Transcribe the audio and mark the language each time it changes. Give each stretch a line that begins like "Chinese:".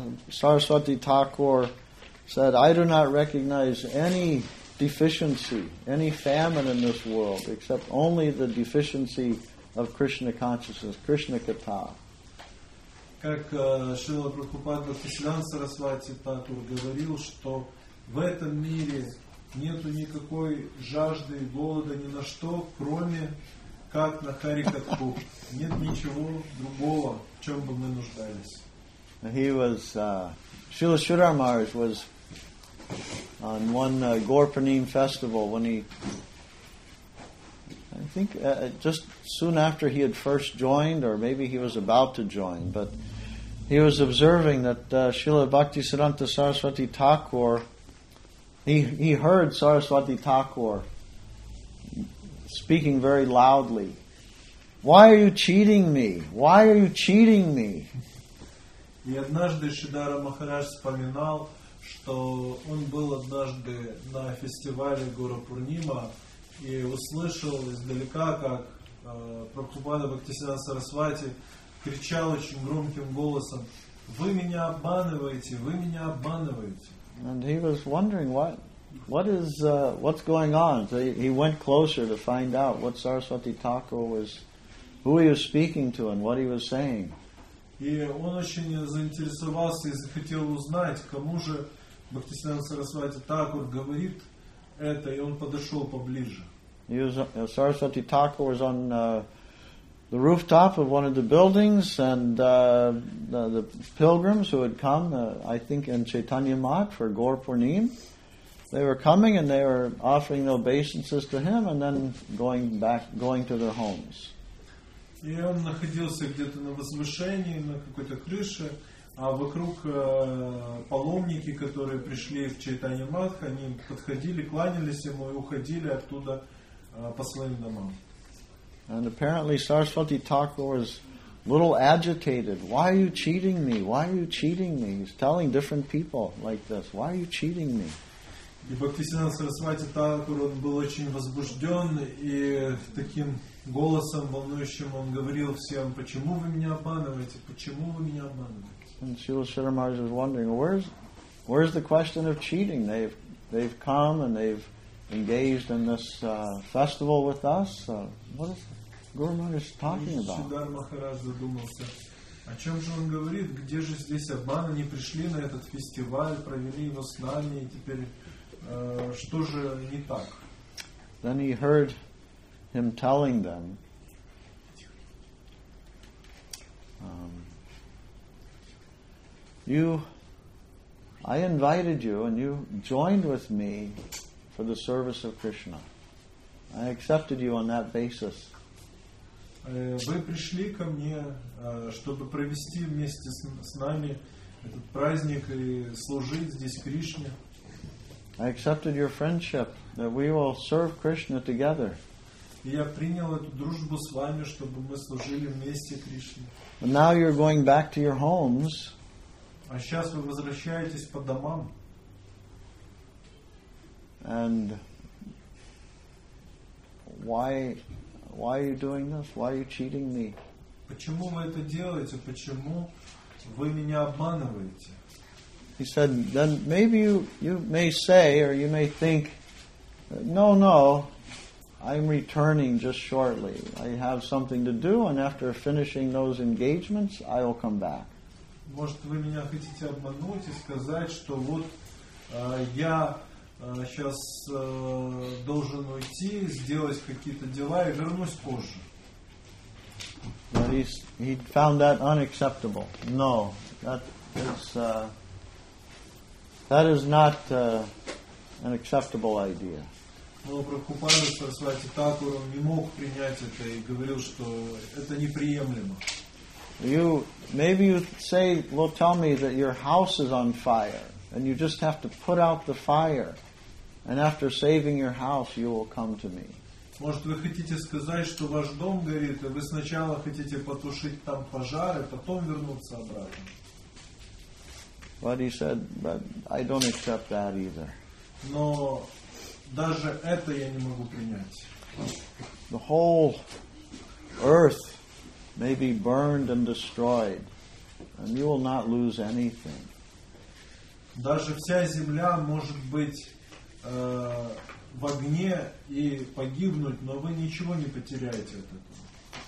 English: Saraswati Thakur said, I do not recognize any deficiency, any famine in this world, except only the deficiency of Krishna consciousness, Krishna Katha.
Russian: Как Шрила Прабхупада Кришнан Сарасвати Татур говорил, что в этом мире нет никакой жажды и голода ни на что, кроме как на Харикатху. Нет ничего другого, в чем бы мы нуждались.
English: He was Шрила Шридхар Махарадж was on one Gorpanim festival when he I think just soon after he had first joined, or maybe he was about to join, but he was observing that Srila Bhaktisiddhanta Saraswati Thakur, he heard Saraswati Thakur speaking very loudly, Why are you cheating me? Why are you cheating me?
Russian: И однажды Шридхара Махарадж вспоминал, что он был однажды на фестивале Гуру Пурнима, и услышал издалека, как Прабхупада Бхактисиддханта Сарасвати кричал очень громким голосом, «Вы меня обманываете! Вы меня обманываете!»
English: And he was wondering, what's going on? So he went closer to find out what Saraswati Thakur was, who he was speaking to and what he was saying.
Russian: И он очень заинтересовался и захотел узнать, кому же Бхактисиддханта Сарасвати Такур говорит, это, и он подошел поближе.
English: He was, Saraswati Thakur was on the rooftop of one of the buildings, and the pilgrims who had come, I think in Chaitanya Math for Gaur Purnim, they were coming and they were offering their obeisances to him and then going to their homes.
Russian: И он находился где-то на возвышении, на какой-то крыше, А вокруг паломники, которые пришли в Чайтанья Матх, они подходили, кланялись ему и уходили оттуда по своим домам.
English: And apparently Saraswati Thakur was a little agitated. Why are you cheating me? Why are you cheating me? He's telling different people like this. Why are you cheating me?
Russian: И Бхактисиддханта Сарасвати Такур, он был очень возбужден и таким голосом волнующим он говорил всем, почему вы меня обманываете? Почему вы меня обманываете?
English: And Srila Shridhar Maharaj was wondering, where's the question of cheating? They've come and they've engaged in this festival with us. What is Guru Maharaj talking about?
Russian: Shridhar Maharaj задумался, о чем же он говорит? Где же здесь обман? Они пришли на этот фестиваль, провели его с нами, и теперь что же не так?
English: Then he heard him telling them. I invited you and you joined with me for the service of Krishna. I accepted you on that basis.
Russian: Вы пришли ко мне, чтобы провести вместе с нами этот праздник и служить здесь Кришне.
English: I accepted your friendship, that we will serve Krishna together.
Russian: Я принял эту дружбу с вами, чтобы мы служили вместе Кришне.
English: And now you're going back to your homes.
Russian: А сейчас вы возвращаетесь по домам.
English: And why are you doing this? Why are you cheating me?
Russian: Почему вы это делаете? Почему вы меня обманываете?
English: He said, then maybe you may say or you may think, no, I'm returning just shortly. I have something to do and after finishing those engagements, I will come back.
Russian: Может, вы меня хотите обмануть и сказать, что вот я сейчас должен уйти, сделать какие-то дела и вернусь позже.
English: But he found that unacceptable. No, that is That is not an acceptable idea.
Russian: Но Прабхупада Сарасвати Такур не мог принять это и говорил, что это неприемлемо.
English: You maybe you say, well, tell me that your house is on fire, and you just have to put out the fire, and after saving your house, you will come to me.
Russian: Может, вы хотите сказать, что ваш дом горит, и вы сначала хотите потушить там пожар, и потом вернуться обратно?
English: But he said, but I don't accept that either.
Russian: Но даже это я не могу принять.
English: The whole earth may be burned and destroyed, and you will not lose anything.
Russian: Даже вся земля может быть в огне и погибнуть, но вы ничего не потеряете от этого.